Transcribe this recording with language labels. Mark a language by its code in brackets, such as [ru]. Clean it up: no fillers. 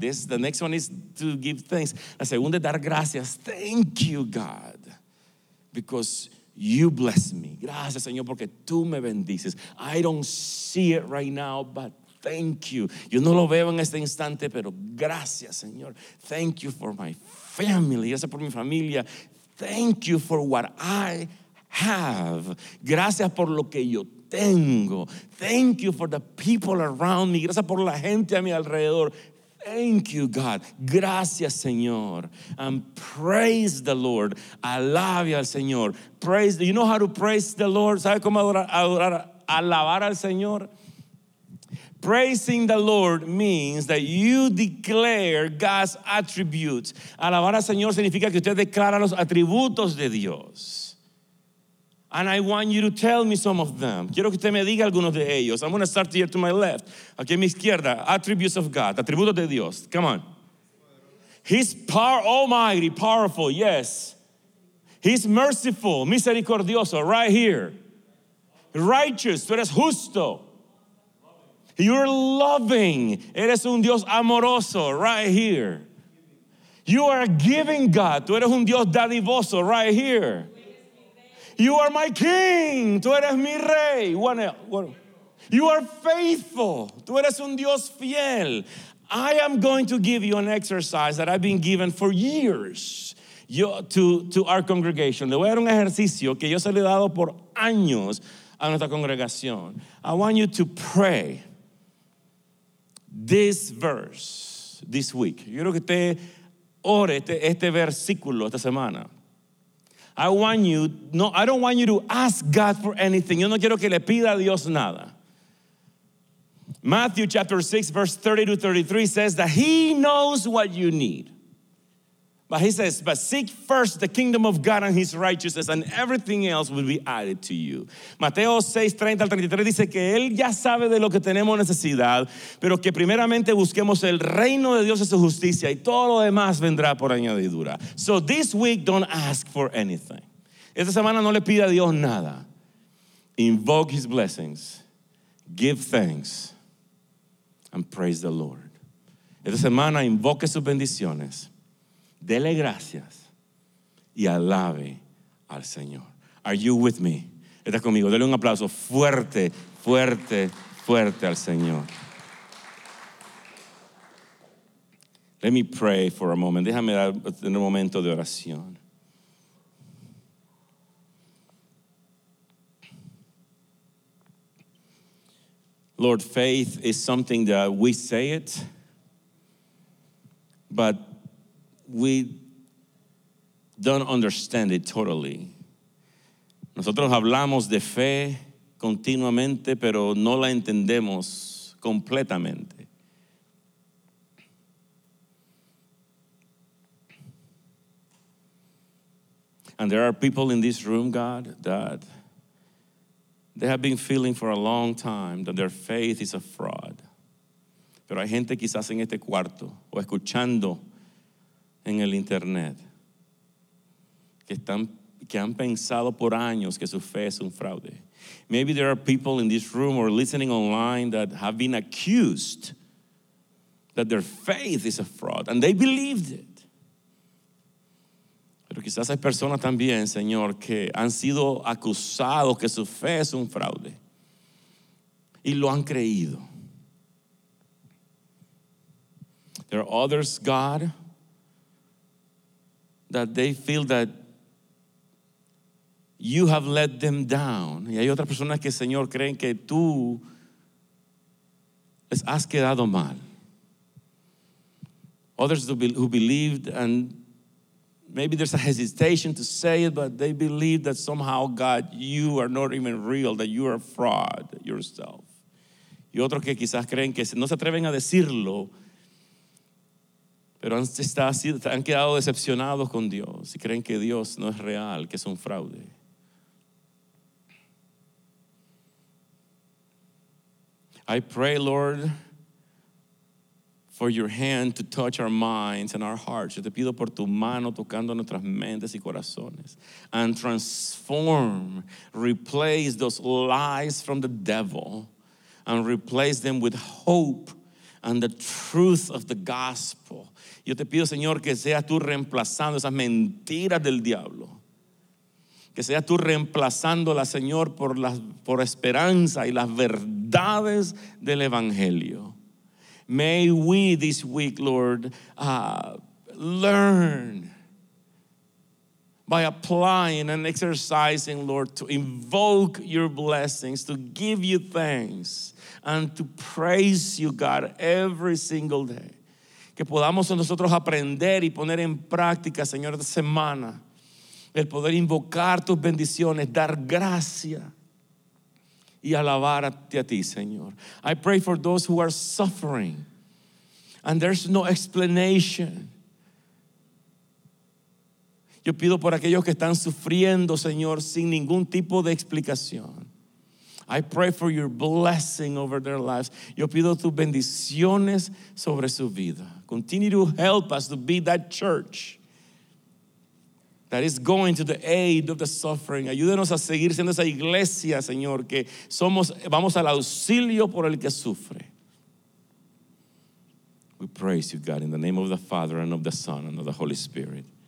[en] This, the next one is to give thanks. [es] La segunda es dar gracias. [en] Thank you, God. Because you bless me. [es] Gracias, Señor, porque tú me bendices. [en] I don't see it right now, but thank you. [es] Yo no lo veo en este instante, pero gracias, Señor. [en] Thank you for my family. [es] Gracias por mi familia. [en] Thank you for what I have. [es] Gracias por lo que yo tengo. [en] Thank you for the people around me. [es] Gracias por la gente a mi alrededor. [en] Thank you, God. [es] Gracias, Señor. [en] And praise the Lord. [es] Alabe al Señor. [en] Praise. You know how to praise the Lord? [es] ¿Sabe cómo adorar, alabar al Señor? [en] Praising the Lord means that you declare God's attributes. [es] Alabar al Señor significa que usted declara los atributos de Dios. [en] And I want you to tell me some of them. [es] Quiero que usted me diga algunos de ellos. [en] I'm going to start here to my left. [es] Aquí a mi izquierda. [en] Attributes of God. [es] Atributos de Dios. [en] Come on. He's power, almighty, powerful. Yes. He's merciful, misericordioso. Right here. Righteous. [es] Tú eres justo. [en] You're loving. [es] Eres un Dios amoroso. [en] Right here. You are a giving God. [es] Tú eres un Dios dadivoso. [en] Right here. You are my king. [es] Tú eres mi rey. [en] You are faithful. [es] Tú eres un Dios fiel. [en] I am going to give you an exercise that I've been given for years to our congregation. [es] Le voy a dar un ejercicio que yo se le he dado por años a nuestra congregación. [en] I want you to pray this verse this week. [es] Yo quiero que usted ore este versículo esta semana. [en] I don't want you to ask God for anything. [es] Yo no quiero que le pida a Dios nada. [en] Matthew chapter 6, verse 30 to 33 says that he knows what you need. But he says, but seek first the kingdom of God and his righteousness, and everything else will be added to you. [es] Mateo 6, 30 al 33 dice que él ya sabe de lo que tenemos necesidad, pero que primeramente busquemos el reino de Dios y su justicia, y todo lo demás vendrá por añadidura. [en] So this week, don't ask for anything. [es] Esta semana no le pida a Dios nada. [en] Invoke his blessings, give thanks, and praise the Lord. [es] Esta semana invoque sus bendiciones. Dele gracias y alabe al Señor. [en] Are you with me? [es] ¿Estás conmigo? Dele un aplauso fuerte, fuerte, fuerte al Señor. [en] Let me pray for a moment. [es] Déjame tener un momento de oración. [en] Lord, faith is something that we say it, but we don't understand it totally. [es] Nosotros hablamos de fe continuamente, pero no la entendemos completamente. [en] And there are people in this room, God, that they have been feeling for a long time that their faith is a fraud. [es] Pero hay gente quizás en este cuarto o escuchando en el internet, que han pensado por años que su fe es un fraude. [en] Maybe there are people in this room or listening online that have been accused that their faith is a fraud, and they believed it. [es] Pero quizás hay personas también, Señor, que han sido acusados que su fe es un fraude y lo han creído. [en] There are others, God, that they feel that you have let them down. [es] Y hay otras personas que, Señor, creen que tú les has quedado mal. [en] Others who believed, and maybe there's a hesitation to say it, but they believe that somehow, God, you are not even real, that you are a fraud yourself. [es] Y otros que quizás creen que no se atreven a decirlo, pero han quedado decepcionados con Dios y creen que Dios no es real, que es un fraude. [en] I pray, Lord, for your hand to touch our minds and our hearts. [es] Yo te pido por tu mano tocando nuestras mentes y corazones. [en] And transform, replace those lies from the devil and replace them with hope and the truth of the gospel. [es] Yo te pido, Señor, que seas tú reemplazando esas mentiras del diablo. Que seas tú reemplazándola, Señor, por esperanza y las verdades del evangelio. [en] May we this week, Lord, learn by applying and exercising, Lord, to invoke your blessings, to give you thanks, and to praise you, God, every single day. [es] Que podamos nosotros aprender y poner en práctica, Señor, esta semana, el poder invocar tus bendiciones, dar gracia y alabar a ti, Señor. [en] I pray for those who are suffering and there's no explanation. [es] Yo pido por aquellos que están sufriendo, Señor, sin ningún tipo de explicación. [en] I pray for your blessing over their lives. [es] Yo pido tus bendiciones sobre su vida. [en] Continue to help us to be that church that is going to the aid of the suffering. [es] Ayúdenos a seguir siendo esa iglesia, Señor, que somos, vamos al auxilio por el que sufre. [en] We praise you, God, in the name of the Father and of the Son and of the Holy Spirit.